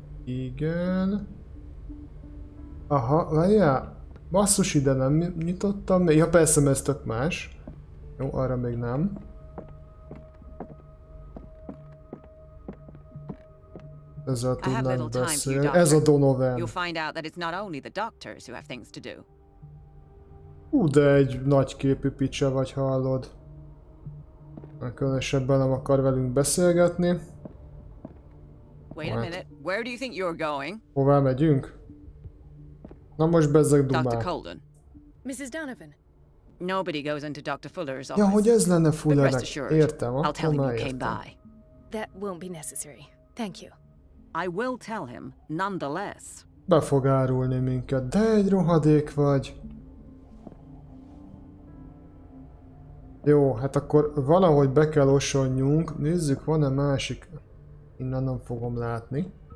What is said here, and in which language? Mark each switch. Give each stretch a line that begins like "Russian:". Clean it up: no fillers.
Hungarian: Igen. Aha, várjál. Basszus, ide nem nyitottam. Ja, persze, mert ez tök más. Jó, arra még nem. Ezzel tudnánk beszélni. Ez a Donovan.
English: You'll find out that it's not only the doctors who have things to do.
Hungarian: De egy nagy képű picse vagy, hallod. Különösebben nem akar velünk beszélgetni.
English: Wait a minute. Where do you think you're going?
Hungarian: Hová megyünk? Na most bezzeg dumát.
English: Dr. Colden. Mrs. Donovan. Nobody goes into Dr. Fuller's office.
Hungarian: Ja, hogy ez lenne Fullernek. Értem, akkor már értem.
English: That won't be necessary. Thank you. I will tell him, nonetheless.
Hungarian: Be fog árulni minket, de egy rohadék vagy. Jó, hát akkor valahogy be kell osonnyunk. Nézzük, van-e másik? Innen nem fogom látni.